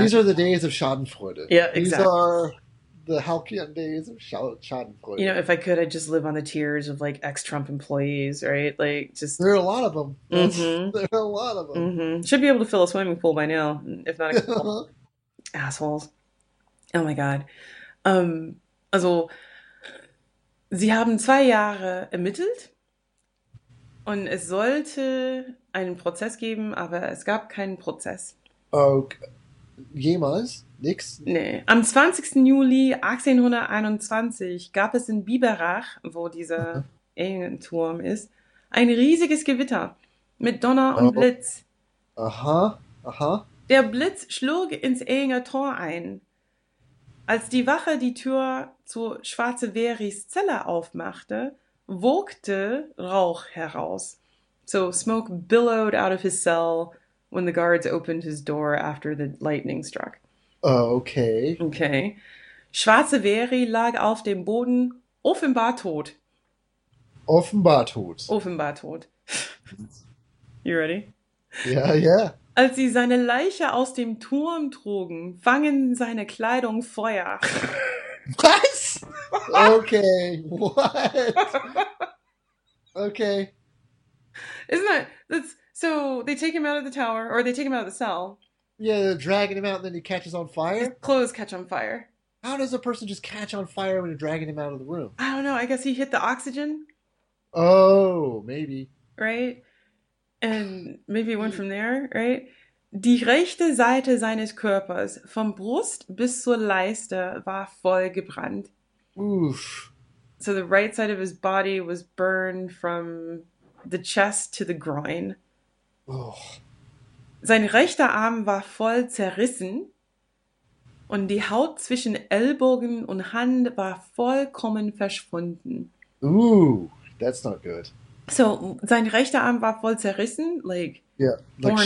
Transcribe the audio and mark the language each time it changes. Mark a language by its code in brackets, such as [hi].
[en] These are the days of Schadenfreude. Yeah, exactly. These are the halcyon days of Schadenfreude. You know, if I could, I'd just live on the tears of, like, ex-Trump employees, right? Like, just. There are a lot of them. Mm-hmm. There are a lot of them. Mm-hmm. Should be able to fill a swimming pool by now, if not a couple. Assholes. Oh my God. [de] Also, sie haben 2 Jahre ermittelt und es sollte einen Prozess geben, aber es gab keinen Prozess. Okay. Jemals? Nix? Nee. Am 20. Juli 1821 gab es in Biberach, wo dieser Engelturm ist, ein riesiges Gewitter mit Donner und Blitz. Aha, aha. Der Blitz schlug ins Ehinger Tor ein. Als die Wache die Tür zu Schwarze Veris Zelle aufmachte, wogte Rauch heraus. [en] So smoke billowed out of his cell when the guards opened his door after the lightning struck. Okay. Okay. [de] Schwarze Veri lag auf dem Boden, offenbar tot. Offenbar tot. Offenbar tot. [en] You ready? [de] Ja. Als sie seine Leiche aus dem Turm trugen, fangen seine Kleidung Feuer. Was? [en] Okay, what? Okay. Isn't that that's so they take him out of the tower or they take him out of the cell. Yeah, they're dragging him out and then he catches on His fire. clothes catch on fire. How does a person just catch on fire when you're dragging him out of the room? I don't know, I guess he hit the oxygen. Oh, maybe. Right? And maybe it went from there, right? [de] Die rechte Seite seines Körpers, vom Brust bis zur Leiste, war voll gebrannt. Oof. [en] So the right side of his body was burned from the chest to the groin. Oh. [de] Sein rechter Arm war voll zerrissen und die Haut zwischen Ellbogen und Hand war vollkommen verschwunden. [en] Ooh, that's not good. [de] So sein rechter Arm war voll zerrissen, [en] like Yeah, like